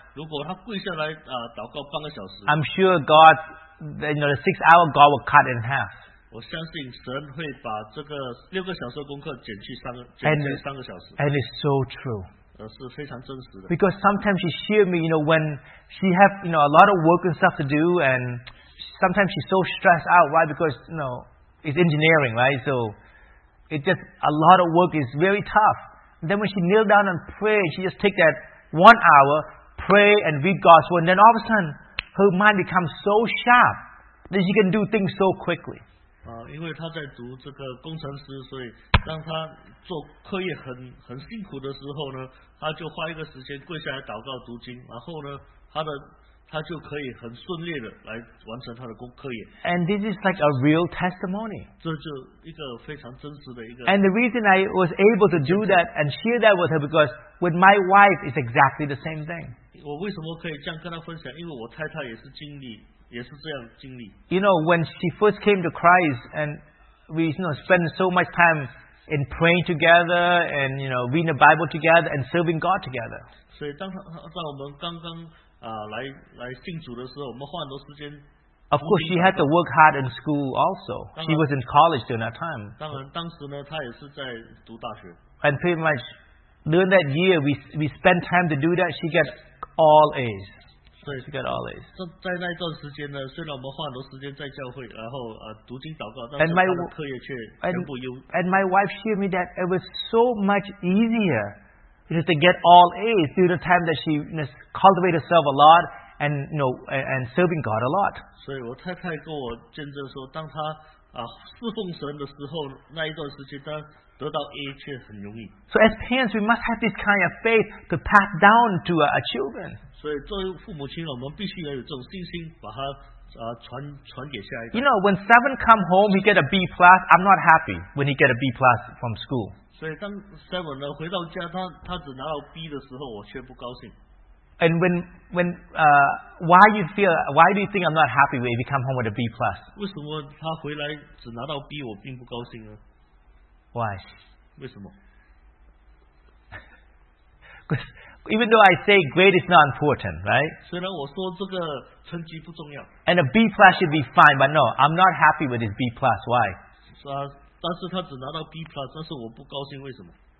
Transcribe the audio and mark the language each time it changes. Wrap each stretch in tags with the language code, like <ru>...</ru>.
<zh>如果她跪下来祷告半个小时</zh> <en>I'm sure God, you know, the 6 hour God will cut in half.</en> <zh>我相信神会把这个6个小时的功课减去三个小时</zh> <en>and it's so true.</en> <zh>是非常真实的。</zh> <en>Because sometimes she hear me, you know, when she have, you know, a lot of work and stuff to do, and sometimes she's so stressed out. Why? Because, you know, it's engineering, right? So it's just a lot of work is very tough. And then when she kneel down and pray, she just take that 1 hour, pray and read God's word, and then all of a sudden, her mind becomes so sharp that she can do things so quickly.</en> <zh>因为她在读这个工程师，所以让她。做课业很辛苦的时候呢，他就花一个时间跪下来祷告读经，然后呢，他就可以很顺利的来完成他的课业。</zh> <en>And this is like a real testimony.</en> <zh>这就一个非常真实的一个。</zh> <en>And the reason I was able to do that and share that with her because with my wife is exactly the same thing.</en> <zh>我为什么可以这样跟她分享？因为我太太也是经历，也是这样经历。</zh> <en>You know, when she first came to Christ and we, you know, spend so much time. In praying together, and you know, reading the Bible together, and serving God together.</en> <zh>So, 当我们刚刚来信主的时候，我们花很多时间。</zh> <en>Of course, she had to work hard in school also. She was in college during that time.</en> <zh>当然，当时呢，她也是在读大学。</zh> <en>And pretty much during that year, we spent time to do that. She got all A's. So she got all A's.</en> <zh>在那段时间呢，虽然我们花很多时间在教会，然后读经祷告，但是她的课业却全部优。</zh> <en>And my wife shared me that it was so much easier just to get all A's through the time that she cultivated herself a lot and you know and serving God a lot.</en> <zh>所以我太太跟我见证说，当她侍奉神的时候，那一段时间，当得到 A 却很容易。</zh> <en>So as parents, we must have this kind of faith to pass down to our children.</en> <zh>所以作为父母亲，我们必须要有这种信心，把它传给下一代。</zh> <en>You know, when Seven come home, he get a B plus. I'm not happy when he get a B plus from school.</en> <zh>所以当 Seven 呢回到家，他只拿到 B 的时候，我却不高兴。</zh> <en>And why do you think I'm not happy when he come home with a B plus?</en> <zh>为什么他回来只拿到 B， 我并不高兴呢？</zh> <en>Why? Because even though I say grade is not important, right?</en> <zh>虽然我说这个成绩不重要。</zh> <en>And a B plus should be fine, but no, I'm not happy with this B plus. Why?</en> <zh>是啊，但是他只拿到 B plus， 但是我不高兴，为什么？</zh>